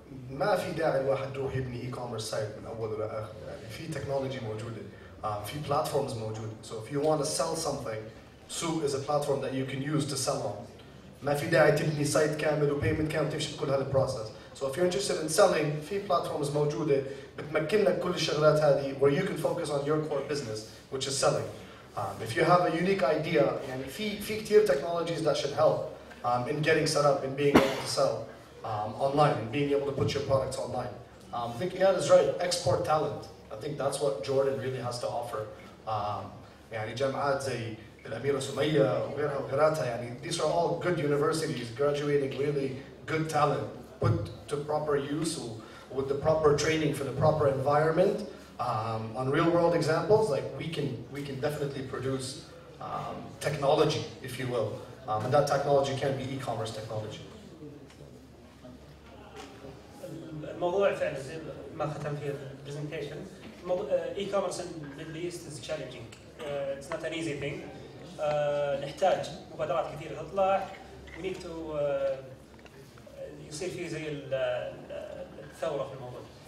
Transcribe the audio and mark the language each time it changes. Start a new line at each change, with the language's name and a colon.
Arabic: ما في داعي الواحد يروح يبني e-commerce site من أول إلى آخر. يعني في technology موجودة, في platforms موجودة.
English: So if you want to sell something, Sue is a platform that you can use to sell on.
Arabic: ما في داعي تبني site كامل و payment كامل تمشي بكل هذا process.
English: So if you're interested in selling,
Arabic: في platforms موجودة بتمكنك كل الشغلات هذه
English: where you can focus on your core business, which is selling. If you have a unique idea,
Arabic: يعني في كتير
English: technologies that should help in getting set up, in being able to sell online, in being able to put your products online. I think Ian is right, export talent. I think that's what Jordan really has to offer.
Arabic: يعني جامعات زي الأميرة سمية وغيرها وغيراتها, يعني
English: these are all good universities graduating really good talent put to proper use with the proper training for the proper environment. On real world examples, like we can definitely produce technology, if you will. And that technology can be e-commerce technology.
Arabic: الموضوع فعلا زي ما ختم فيه البرزنتيشن
English: e-commerce in Middle East is challenging. It's not an easy thing.
Arabic: نحتاج مبادرات كثيرة تطلع.
English: We need to
Arabic: يصير فيه زي الثورة في الموضوع.